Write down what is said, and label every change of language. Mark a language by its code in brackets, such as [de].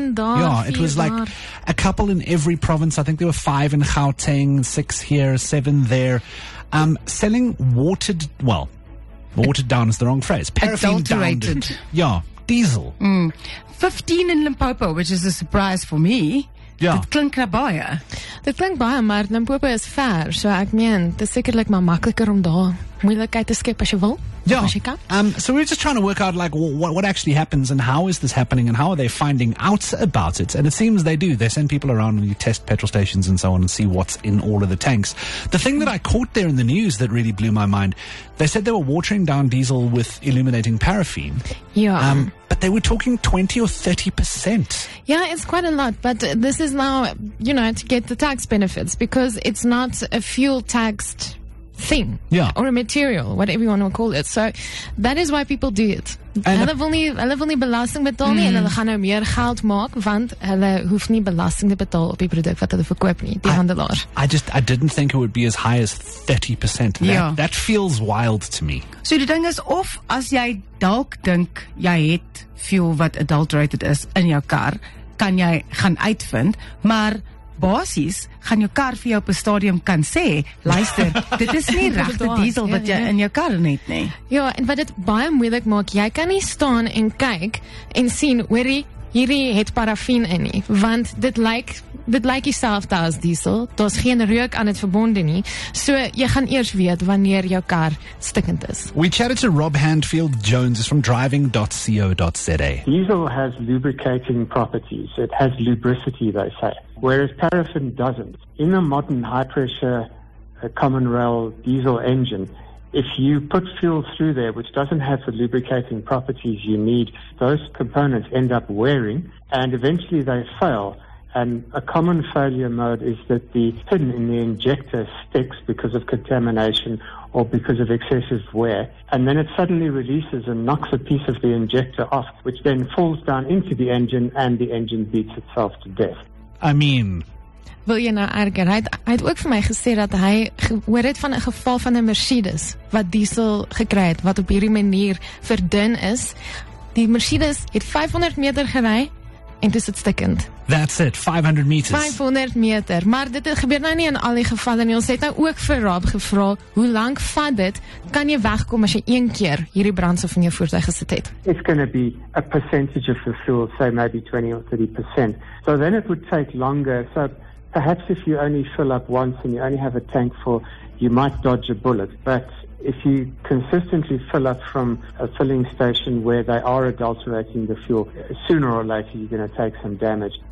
[en] Yeah, it was like a couple in every province. I think there were 5 in Gauteng, 6 here, 7 there. Selling watered, well, watered down is the wrong phrase. Paraffin down. Yeah, diesel. 15 in Limpopo, which is a surprise for me. Yeah. [af] Dit klink na baie. Dit klink baie, maar Limpopo is ver. So ek meen, dit is sekerlik maar makliker om daar moeilikheid te skep as jy wil. [en] Yeah. [af] As jy kan. [en] So we're just trying to work out like what actually happens and how is this happening and how are they finding out about it? And it seems they do. They send people around and you test petrol stations and so on and see what's in all of the tanks. The thing that I caught there in the news that really blew my mind, they said they were watering down diesel with illuminating paraffin. Yeah. But they were talking 20 or 30%. Yeah, it's quite a lot. But this is now, you know, to get the tax benefits because it's not a fuel taxed thing. Yeah. Or a material, whatever you want to call it. So that is why people do it. [af] Hulle wil nie belasting betaal nie, en hulle gaan nou meer geld maak, want hulle hoef nie belasting te betaal op die product wat hulle verkoop nie, die handelaar. [en] I didn't think it would be as high as 30%. That feels wild to me. [af] So die ding is, of as jy dalk dink, jy het fuel wat adulterated is in jou kar, kan jy gaan uitvind, maar basies, gaan jou kar vir jou op een stadium kan sê, luister, dit is nie regte diesel wat jy in jou kar net nie. Ja, en wat dit baie moeilik maak, jy kan nie staan en kyk en sien, hoorie, hierdie het paraffin in nie, want dit lyk jyself daar as diesel, daar is geen rook aan het verbonde nie, so jy gaan eers weet wanneer jou kar stikkend is. [en] We chatted to Rob Handfield Jones, is from driving.co.za. Diesel has lubricating properties, it has lubricity, they say. Whereas paraffin doesn't. In a modern high-pressure common rail diesel engine, if you put fuel through there, which doesn't have the lubricating properties you need, those components end up wearing, and eventually they fail. And a common failure mode is that the pin in the injector sticks because of contamination or because of excessive wear, and then it suddenly releases and knocks a piece of the injector off, which then falls down into the engine, and the engine beats itself to death. I mean, [af] wil jy nou erger? Hy het ook vir my gesê dat hy gehoor het van 'n geval van 'n Mercedes wat diesel gekry het, wat op hierdie manier verdun is. Die Mercedes het 500 meter gery en toe is dit stikkend. [en] That's it, 500 meters. [af] 500 meter, maar dit gebeur nou nie in al die gevalle nie. Ons het nou ook vir Rob gevra, hoe lank vat dit? Kan jy wegkom as jy een keer hierdie brandstof in jou voertuig gesit het? [en] It's going to be a percentage of the fuel, say maybe 20 or 30%. So then it would take longer. So perhaps if you only fill up once and you only have a tank full, you might dodge a bullet. But if you consistently fill up from a filling station where they are adulterating the fuel, sooner or later you're going to take some damage.